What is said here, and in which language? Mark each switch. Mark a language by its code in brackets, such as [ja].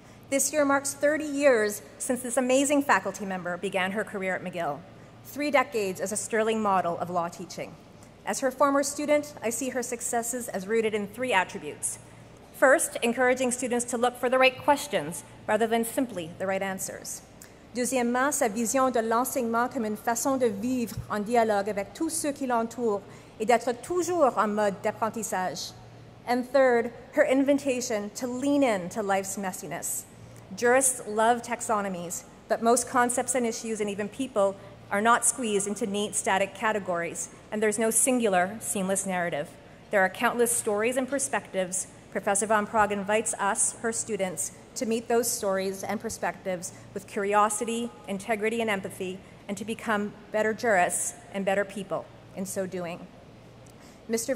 [en] This year marks 30 years since this amazing faculty member began her career at McGill, 3 decades as a sterling model of law teaching. As her former student, I see her successes as rooted in 3 attributes. First, encouraging students to look for the right questions rather than simply the right answers. [fr] Deuxièmement, sa vision de l'enseignement comme une façon de vivre en dialogue avec tous ceux qui l'entourent et d'être toujours en mode d'apprentissage. [en] And third, her invitation to lean into life's messiness. Jurists love taxonomies, but most concepts and issues and even people are not squeezed into neat static categories, and there's no singular, seamless narrative. There are countless stories and perspectives. Professor Van Praagh invites us, her students, to meet those stories and perspectives with curiosity, integrity, and empathy, and to become better jurists and better people in so doing. Mr.